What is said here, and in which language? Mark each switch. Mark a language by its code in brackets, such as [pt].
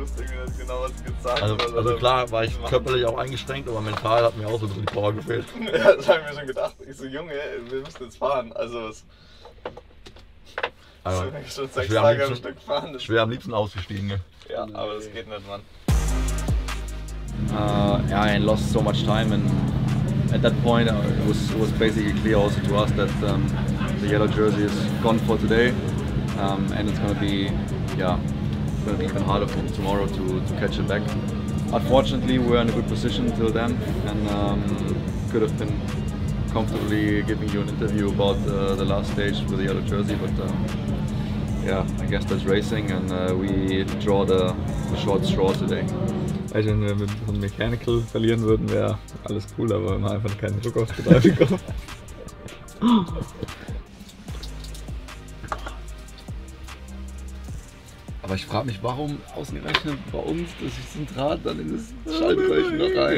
[de] Wusste ich nicht genau, was ich gesagt habe. Also klar, war ich körperlich auch eingeschränkt, aber mental hat mir auch so die Power gefehlt. Ja, das habe ich mir schon gedacht. Ich so, Junge, wir müssen jetzt fahren. Also, was. Also, ich bin schon sechs Tage am Stück fahren. Ich wäre am liebsten ausgestiegen. Ja, aber das geht nicht, Mann. [en] I lost so much time, and at that point it was basically clear also to us that the yellow jersey is gone for today, and it's gonna be, even harder for tomorrow to catch it back. Unfortunately, we're in a good position till then, and could have been comfortably giving you an interview about the last stage with the yellow jersey, but I guess that's racing, and we draw the short straw today. [de] Also wenn wir mit einem Mechanical verlieren würden, wäre alles cool, aber wir haben einfach keinen Druck auf die Reifen bekommen. Aber ich frage mich, warum ausgerechnet bei uns das ist ein Draht dann in das Schaltröhrchen noch rein?